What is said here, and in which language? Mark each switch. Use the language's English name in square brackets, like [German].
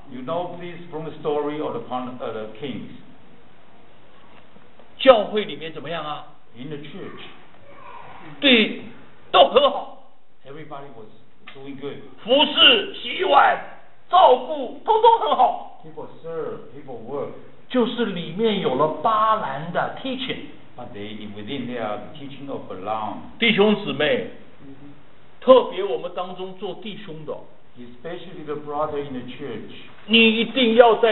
[English] You know this from the story of the kings. [Chinese] 教会里面怎么样啊？ [English] In the church. [Chinese] 对，都很好。 [English] Everybody was doing good. [Chinese] 服侍、洗碗、照顾，通通很好。 [English] People serve, people work. [Chinese] 就是里面有了巴兰的 teaching. [English] But they within their teaching of Balaam. [Chinese] 弟兄姊妹， mm-hmm. 特别我们当中做弟兄的， [English] Especially the brother in the church.